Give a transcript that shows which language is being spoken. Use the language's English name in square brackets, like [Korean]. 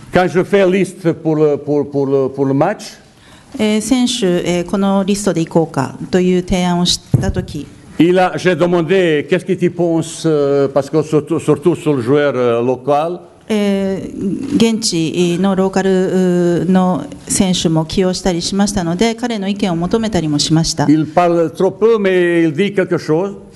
[Japanese] 選手、このリストで行こうかという提案をしたとき、 [French] Il a, j'ai demandé, qu'est-ce que tu penses, parce que surtout sur le joueur local. [Japanese] 現地のローカルの選手も起用したりしましたので、彼の意見を求めたりもしました。 [French] Il parle trop peu, mais il dit quelque chose.